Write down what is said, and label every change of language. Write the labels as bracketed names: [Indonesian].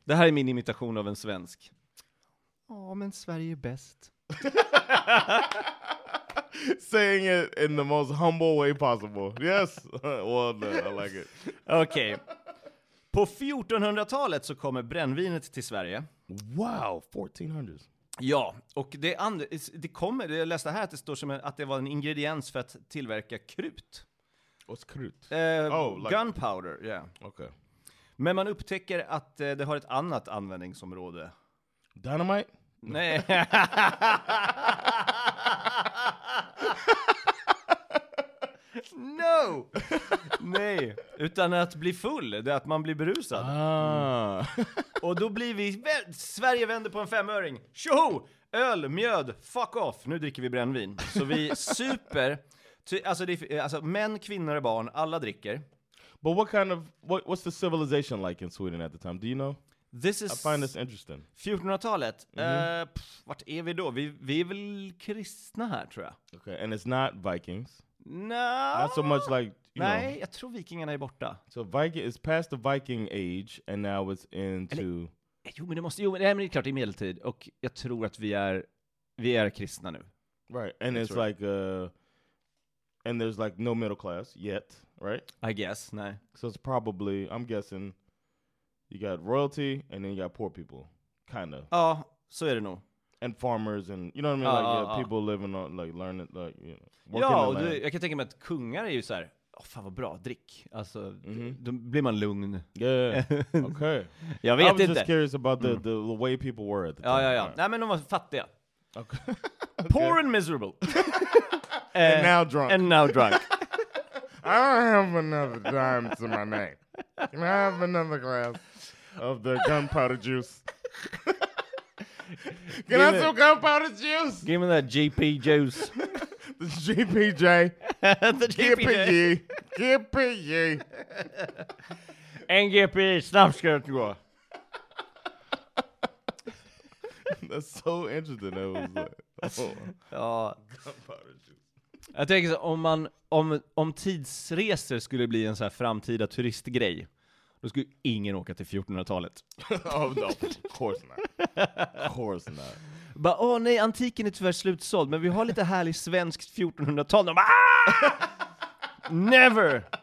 [Swedish] Det här är min imitation av en svensk. Åh, men Sverige är bäst. [English] Saying it in the most humble way possible. Yes. Well, I like it. Okay. [Swedish] På 1400-talet så kommer brännvinet till Sverige. [English] Wow, 1400s. [Swedish] Ja, och det kommer, jag läste här att det står som att det var en ingrediens för att tillverka krut. [English] What's krut? Gunpowder, yeah. Okay. [Swedish] Men man upptäcker att det har ett annat användningsområde. [English] Dynamite? [Swedish] Nej. [English] No! [Swedish] Nej, utan att bli full. Det är att man blir berusad. Ah. Mm. Och då blir vi... Sverige vänder på en femöring. Tjoho! Öl, mjöd, [English] fuck off. [Swedish] Nu dricker vi brännvin. Så vi super... Alltså, män, kvinnor och barn, alla dricker. [English] But what kind of... What's the civilization like in Sweden at the time? Do you know? This is... I find this interesting. [Swedish] 1400-talet. Vart är vi då? Vi är väl kristna här, tror jag. [English] Okay, and it's not Vikings. No. Not so much like, you [Swedish] Nej, [English] know. [Swedish] Jag tror vikingarna är borta. [English] So Viking is past the Viking age and now it's into [Swedish] Eller, men det är klart i medeltid och jag tror att vi är kristna nu. [English] Right. And it's like and there's like no middle class yet, right? I guess. [Swedish] Nej. [English] So it's probably, I'm guessing you got royalty and then you got poor people kind of. [Swedish] Ja, så är det nog. [English] And farmers and, you know what I mean? People living on, like, learning, like, you know. [Swedish] Ja, jag kan tänka mig att kungar är ju så här, fan vad bra, drick. Alltså, då blir man lugn. [English] Yeah. Okay. [Swedish] Jag vet inte. [English] I was just curious about the way people were at the time. [Swedish] Ja. [English] Right. [Swedish] Nej, men de var fattiga. [English] Okay. Poor and miserable. And now drunk. I don't have another dime to my name. Can I have another glass of the gunpowder juice? Can I still gunpowder juice? Give me that GP juice. The GPJ. The GPJ. GPJ. NGP snapskirt. That's so interesting. That was like, gunpowder juice. [Swedish] Jag tänker så, om tidsresor skulle bli en så här framtida turistgrej. Då skulle ingen åka till 1400-talet. [English] Oh, no. Of course not. [Swedish] Bara, åh nej, antiken är tyvärr slutsåld. Men vi har lite härlig svenskt 1400-tal. [English] Never!